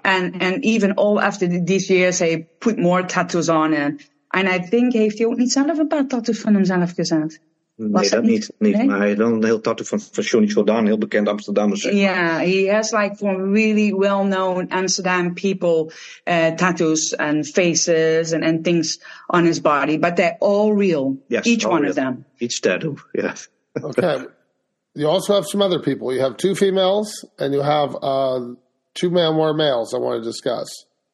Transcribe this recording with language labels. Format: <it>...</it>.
<en>And even all after these years, they put more tattoos on. And I think,</en> <nl>heeft hij ook niet zelf een paar tattoos van hemzelf gezet? Nee, dat niet. Maar hij heeft wel een heel tattoo van Johnny Jordan, heel bekend Amsterdammer. Zeg maar.</nl> <en>Yeah, he has like from really well-known Amsterdam people tattoos and faces and things on his body. But they're all real, each one of them. Each tattoo, yeah. Okay. You also have some other people. You have two females and you have two men more males I want to discuss.</en>